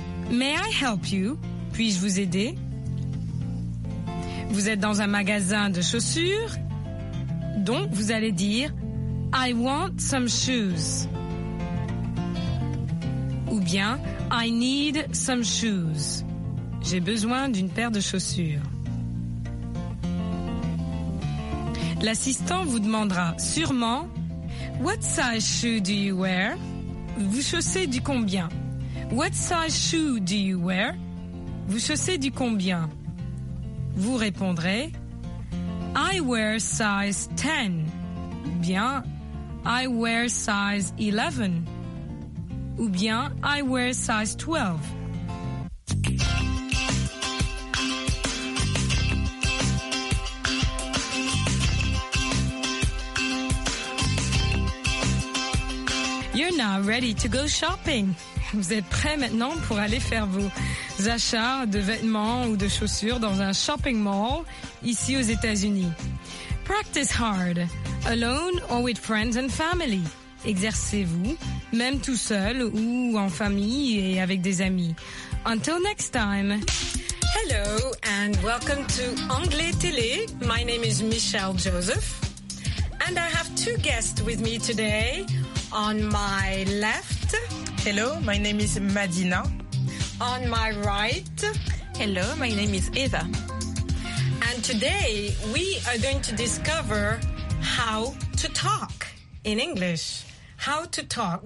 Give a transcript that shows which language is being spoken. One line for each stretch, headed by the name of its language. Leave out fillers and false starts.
English: May I help you?
French: Puis-je vous aider? » Vous êtes dans un magasin de chaussures, donc vous allez dire «
English: I want some shoes.
French: » Ou bien «
English: I need some shoes.
French: » J'ai besoin d'une paire de chaussures. L'assistant vous demandera sûrement «
English: What size shoe do you wear?
French: » Vous chaussez du combien?
English: What size shoe do you wear?
French: Vous chaussez du combien? Vous répondrez
English: I wear size 10.
French: Ou bien
English: I wear size 11.
French: Ou bien
English: I wear size 12. You're now ready to go shopping.
French: Vous êtes prêt maintenant pour aller faire vos achats de vêtements ou de chaussures dans un shopping mall ici aux États-Unis.
English: Practice hard, alone or with friends and family.
French: Exercez-vous, même tout seul ou en famille et avec des amis.
English: Until next time. Hello. Hello, and welcome to Anglais Télé. My name is Michelle Joseph, and I have two guests with me today. On my left... Hello, my name is Madina. On my right... Hello, my name is Eva. And today, we are going to discover how to talk in English. How to talk.